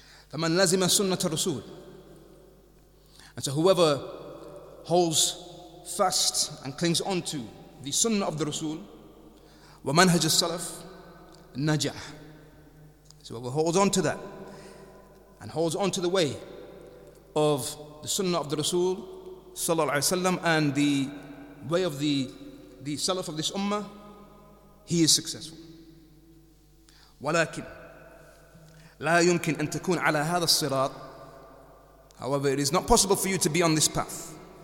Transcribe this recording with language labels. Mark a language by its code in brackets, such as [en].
[ar] فَمَنْ لَزِمَ سُنَّةَ الرَّسُولِ. [en] And so whoever holds fast and clings on to the sunnah of the Rasul, [ar] ومنهج السلف نجح. [en] So whoever holds on to that and holds on to the way of the sunnah of the Rasul sallallahu alayhi wa sallam, and the way of the salaf of this ummah, he is successful. [ar] ولكن لا يمكن أن تكون على هذا الصراط. [en] However, it is not possible for you to be on this path.